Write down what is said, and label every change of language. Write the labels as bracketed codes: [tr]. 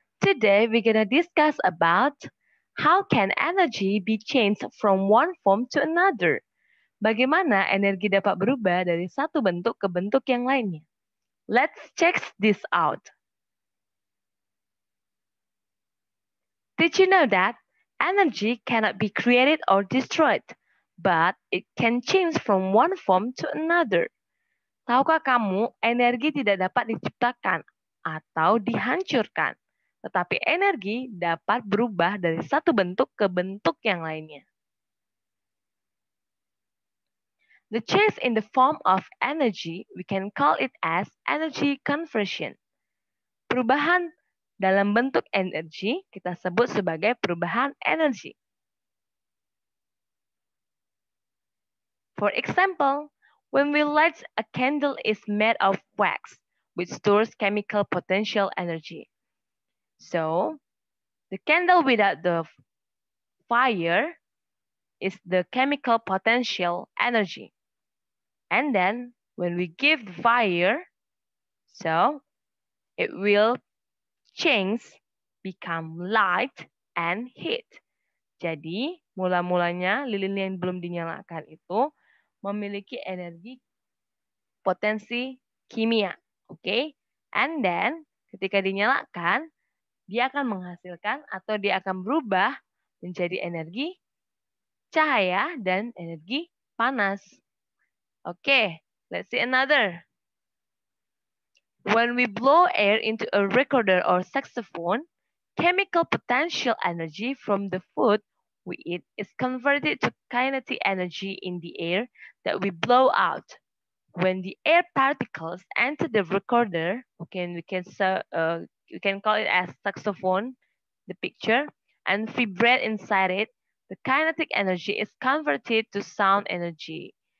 [en] Today we're going to discuss about how can energy be changed from one form to another? [id] Bagaimana energi dapat berubah dari satu bentuk ke bentuk yang lainnya? [en] Let's check this out. Did you know that energy cannot be created or destroyed, but it can change from one form to another? [id] Tahukah kamu, energi tidak dapat diciptakan atau dihancurkan, tetapi energi dapat berubah dari satu bentuk ke bentuk yang lainnya. [en] The change in the form of energy, we can call it as energy conversion. [id] Perubahan dalam bentuk energi kita sebut sebagai perubahan energi. [en] For example, when we light a candle is made of wax, which stores chemical potential energy. So, the candle without the fire is the chemical potential energy. And then, when we give the fire, so it will change, become light and heat. [id] Jadi, mula-mulanya lilin yang belum dinyalakan itu memiliki energi potensi kimia, okay? [en] And then, [id] ketika dinyalakan, dia akan menghasilkan atau dia akan berubah menjadi energi cahaya dan energi panas. [en] Okay, let's see another. When we blow air into a recorder or saxophone, chemical potential energy from the food we eat is converted to kinetic energy in the air that we blow out. When the air particles enter the recorder, we can call it as saxophone, the picture, and vibrate inside it, the kinetic energy is converted to sound energy.